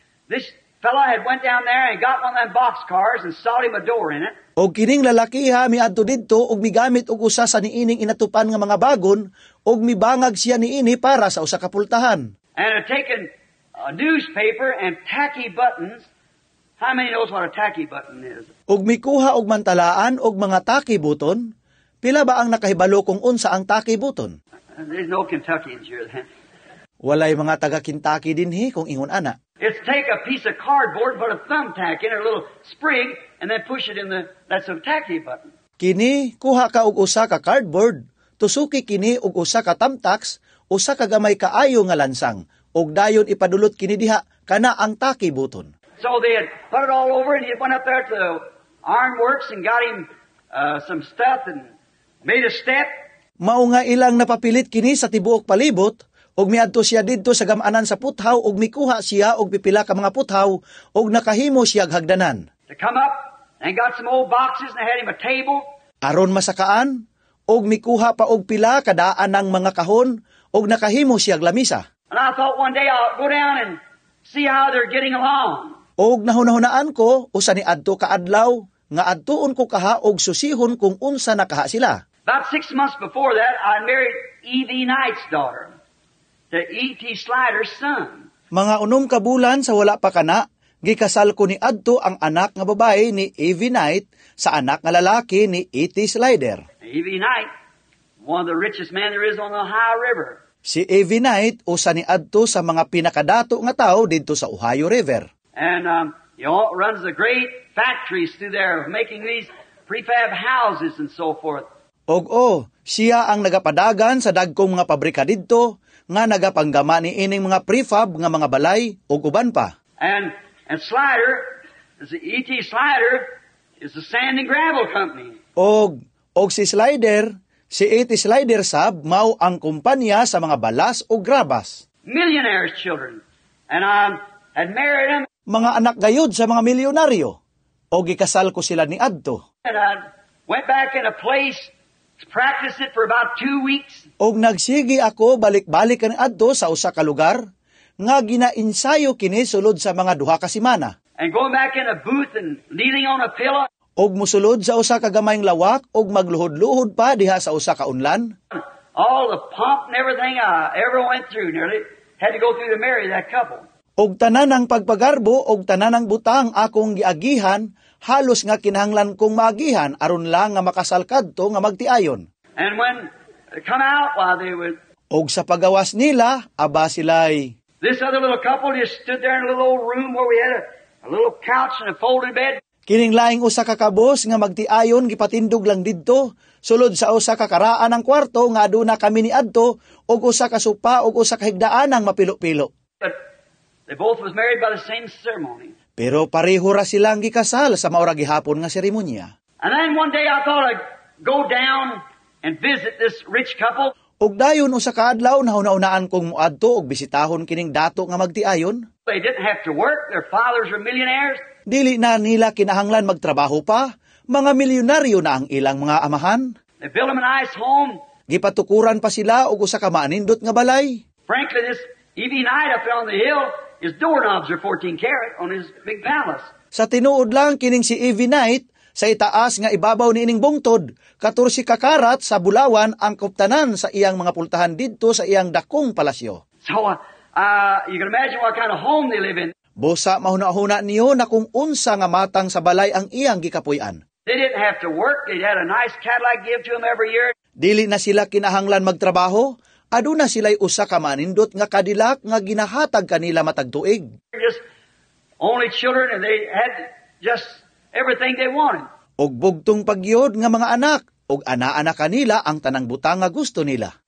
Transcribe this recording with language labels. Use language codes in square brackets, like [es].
[en] This fellow had went down there and got one of them boxcars and sawed him a door in it. [ceb] Og kining lalaki ha miadto didto og migamit og usa sa niining inatupan nga mga bagon og mibangag siya niini para sa usa ka pultahan. [en] And had taken a newspaper and tacky buttons. How many knows what a tacky button is? [ceb] Og mikuha og mantalaan og mga tacky button. Pila ba ang nakahibalo kung unsa ang tacky button? [en] There's no Kentuckians here then. [ceb] Walay mga taga-Kentucky dinhi kung ingon ana. [en] It's take a piece of cardboard, put a thumbtack in a little spring, and then push it in the, that's a tacky button. [ceb] Kini, kuha ka og usa ka cardboard, tusuki kini og usa ka thumbtacks, usa ka gamay kaayo nga lansang, og dayon ipadulot kini diha, kana ang tacky button. [en] So they had put it all over and he went up there to the ironworks and got him some stuff and made a step. [ceb] Mao nga ilang napapilit kini sa tibuok palibot, og miadto siya dito sa gamanan sa puthaw, og mikuha siya og pipila ka mga puthaw, og nakahimo siya hagdanan. [en] To come up and got some old boxes and had him a table. [ceb] Aron masakaan, og mikuha pa og pila kadaan ng mga kahon, og nakahimo siya lamisa. [en] And I thought one day I'll go down and see how they're getting along. [ceb] Og nahunahunaan ko, usa ni adto kaadlaw, nga adtuon ko kaha og susihon kung unsa nakaha sila. [en] About 6 months before that, I married E.V. Knight's daughter, the E.T. Slider's son. [ceb] Mga unom kabulan sa wala pa kana, gikasal ko ni adto ang anak nga babae ni E.V. Knight sa anak nga lalaki ni E.T. Slider. [en] E.V. Knight, one of the richest men there is on the Ohio River. [ceb] Si E.V. Knight, usa ni adto sa mga pinakadato nga tao dito sa Ohio River. [en] And runs the great factories through there making these prefab houses and so forth. [ceb] Og siya ang nagapadagan sa dagkong mga pabrika dito nga nagapanggama ni ining mga prefab nga mga balay ug uban pa. [en] And Slider, the E.T. Slider is a sand and gravel company. [ceb] Og si Slider, si E.T. Slider sab mao ang kumpanya sa mga balas ug grabas. [en] Millionaire's children. And I had married them. [ceb] Mga anak gayod sa mga milyonaryo. O gikasal ko sila ni adto. [en] And I went back in a place to practice it for about 2 weeks. [ceb] O nagsigi ako balik-balik ni adto sa usa ka lugar nga ginainsayo kini sulod sa mga duha ka semana. [en] And going back in a booth and kneeling on a pillow. [ceb] og musulod sa usa ka gamayng lawak og magluhod-luhod pa diha sa usa ka unlan. [en] All the pomp and everything I ever went through nearly had to go through to marry that couple. [ceb] Og tanan ang pagpagarbo og tanan ang butang akong giagihan, halos nga kinahanglan kong maagihan aron lang nga makasal kadto nga magtiayon. [en] And when come out while they were [ceb] og sa pagawas nila, aba silay. [en] This other little couple just stood there in a little old room where we had a little couch and a folded bed. [ceb] Kining laing usa ka kabos nga magtiayon gipatindog lang didto sulod sa usa ka karaan ang kwarto nga aduna kami ni adto og usa ka supa og usa ka higdaan ang mapilo-pilo. [en] But they both was married by the same ceremony. [ceb] Pero pareho ra silang gikasal sa maura gihapon nga seremonya. [en] And then one day I thought I'd go down and visit this rich couple. [ceb] Og dayon usa ka adlaw nauna-unaan kong muadto og bisitahon kining dato nga magtiayon. [en] They didn't have to work, their fathers were millionaires. [ceb] Dili na nila kinahanglan magtrabaho pa, mga milyonaryo na ang ilang mga amahan. [en] They built them a nice home. [ceb] Gipatukuran pa sila og usa ka maanindot nga balay. [en] Frankly, this E.B. Knight up on the hill, his doorknobs are 14 karat on his big palace. [ceb] Sa tinuod lang kining si E.B. Knight, sa itaas nga ibabaw ni ining bungtod, 14 kakarat sa bulawan ang kuptanan sa iyang mga pultahan dito sa iyang dakong palasyo. [en] So, you can imagine what kind of home they live in. [ceb] Busa mahuna-huna niyo na kung unsa nga matang sa balay ang iyang gikapuy-an. [en] They didn't have to work. They had a nice Cadillac give to them every year. [ceb] Dili na sila kinahanglan magtrabaho. Aduna sila'y usa ka manindot nga Cadillac nga ginahatag kanila matagtuig. [en] They're just only children and they had just everything they wanted. [ceb] Og bugtong pagyod nga mga anak. Og ana-ana kanila ang tanang butang nga gusto nila.